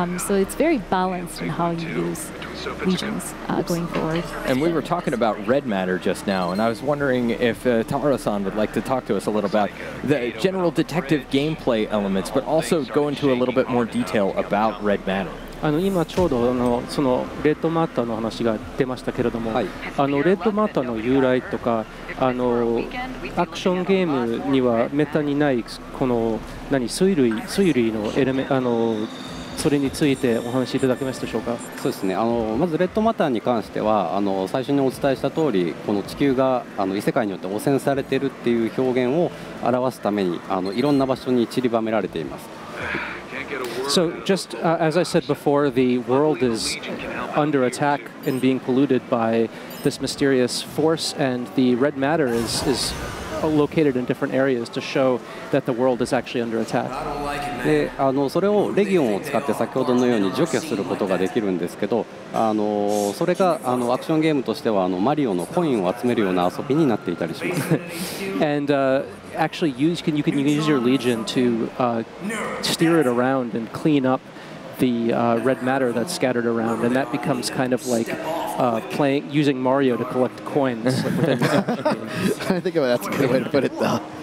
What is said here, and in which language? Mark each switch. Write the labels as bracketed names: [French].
[English] So it's very balanced in how you use legions going forward. And we were talking about red matter just now, and I was wondering if Tara-san would like to talk to us a little about the general detective gameplay elements, but also go into a little bit more detail about red matter. [Japanese] あの今ちょうどあのそのレッドマッターの話が出ましたけれども、はい、あのレッドマッターの由来とかあのアクションゲームにはめったにないこの何水類のエレメあのそれについてお話しいただけますでしょうか。そうですね、あのまずレッドマッターに関してはあの最初にお伝えした通りこの地球があの異世界によって汚染されているっていう表現を表すためにあのいろんな場所に散りばめられています。 [English] So just as I said before, the world is under attack and being polluted by this mysterious force, and the red matter is located in different areas to show that the world is actually under attack. [Japanese] で、あのそれをレギオンを使って先ほどのように除去することができるんですけど、あのそれがあのアクションゲームとしてはあのマリオのコインを集めるような遊びになっていたりします。 [English] And, actually use you can use your legion to steer it around and clean up the red matter that's scattered around, and that becomes kind of like playing using Mario to collect coins. I think that's a good way to put it though.